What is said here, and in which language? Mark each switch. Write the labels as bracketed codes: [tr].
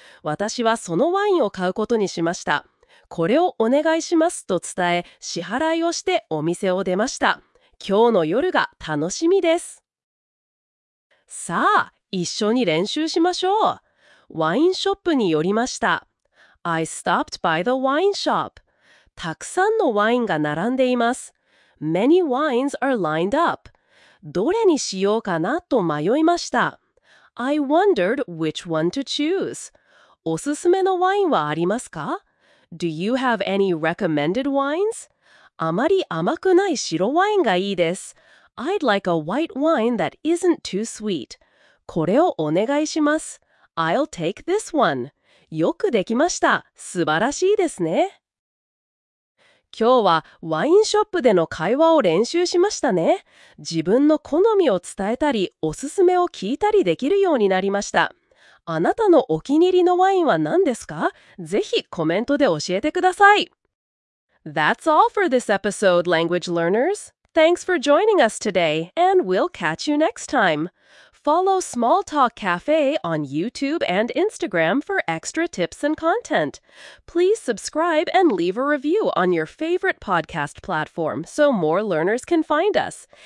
[ja] 私はそのワインを買うことにしました。これをお願いしますと伝え、支払いをしてお店を出ました。今日の夜が楽しみです。さあ、一緒に練習しましょう。ワインショップに寄りました。 [en] I stopped by the wine shop. [ja] たくさんのワインが並んでいます。 [en] Many wines are lined up. [ja] どれにしようかなと迷いました。 [en] I wondered which one to choose. [ja] おすすめのワインはありますか？ [en] Do you have any recommended wines? [ja] あまり甘くない白ワインがいいです。 [en] I'd like a white wine that isn't too sweet. [ja] これをお願いします。 [en] I'll take this one. [ja] よくできました。素晴らしいですね。今日はワインショップでの会話を練習しましたね。自分の好みを伝えたり、おすすめを聞いたりできるようになりました。あなたのお気に入りのワインは何ですか？ぜひコメントで教えてください。 [en] That's all for this episode, language learners. Thanks for joining us today, and we'll catch you next time. Follow Small Talk Cafe on YouTube and Instagram for extra tips and content. Please subscribe and leave a review on your favorite podcast platform so more learners can find us.